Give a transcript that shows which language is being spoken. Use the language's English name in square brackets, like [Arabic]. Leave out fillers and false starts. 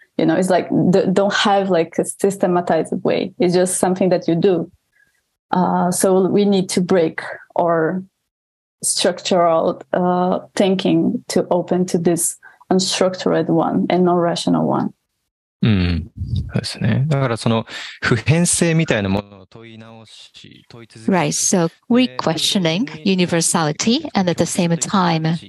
[English] You know, it's like, don't have like a systematized way. It's just something that you do. So we need to break our structural thinking to open to this unstructured one and non-rational one. [Japanese] うん、そうですね。だからその普遍性みたいなものを問い直し、問い続ける。 [English] Right, so re-questioning universality and at the same time,